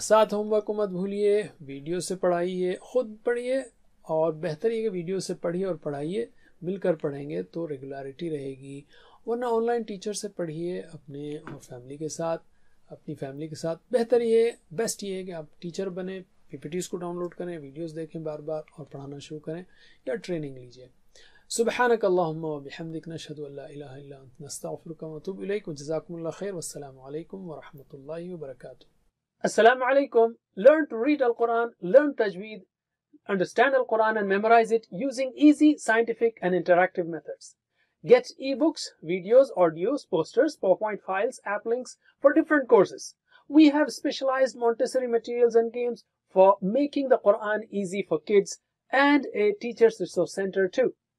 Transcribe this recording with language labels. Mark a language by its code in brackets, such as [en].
[ur] ساتھ home work کو مت بھولیے، ویڈیو سے پڑھائیے، خود پڑھیے، اور بہتر یہ کہ ویڈیو سے پڑھیے اور پڑھائیے، مل کر پڑھیں گے تو ریگولارٹی رہے گی، ورنہ آن لائن ٹیچر سے پڑھیے اپنے اور فیملی کے ساتھ، اپنی فیملی کے ساتھ. بہتر یہ، بیسٹ یہ ہے کہ آپ ٹیچر بنیں، پی پی ٹیز کو ڈاؤن لوڈ کریں، ویڈیوز دیکھیں بار بار، اور پڑھانا شروع کریں یا ٹریننگ لیجیے. [ar] سبحانك اللهم وبحمدك، نشهد ان لا اله الا انت، نستغفرك ونتوب اليك، وجزاكم الله خير، والسلام عليكم ورحمه الله وبركاته. السلام عليكم. [en] Learn to read Al-Quran, learn tajweed, understand Al-Quran and memorize it using easy scientific and interactive methods. Get ebooks, videos, audios, posters, PowerPoint files, app links for different courses. We have specialized Montessori materials and games for making the Quran easy for kids, and a teachers resource center too.